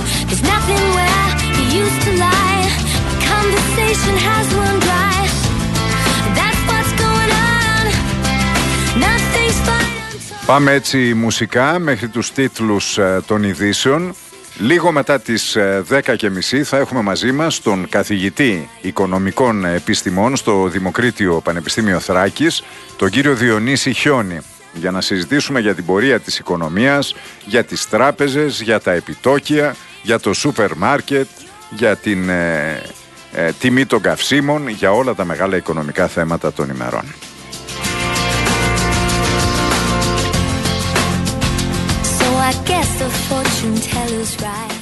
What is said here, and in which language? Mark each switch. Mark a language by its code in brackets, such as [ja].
[en] There's nothing where he used to lie. The conversation has run dry. That's what's going on. Nothing's fine. [el] Πάμε έτσι μουσικά μέχρι τους τίτλους των ειδήσεων. Λίγο μετά τις 10.30 θα έχουμε μαζί μας τον καθηγητή οικονομικών επιστημών στο Δημοκρίτιο Πανεπιστήμιο Θράκης, τον κύριο Διονύση Χιόνι, για να συζητήσουμε για την πορεία της οικονομίας, για τις τράπεζες, για τα επιτόκια, για το σούπερ μάρκετ, για την τιμή των καυσίμων, για όλα τα μεγάλα οικονομικά θέματα των ημερών. [en] I guess the fortune teller's right.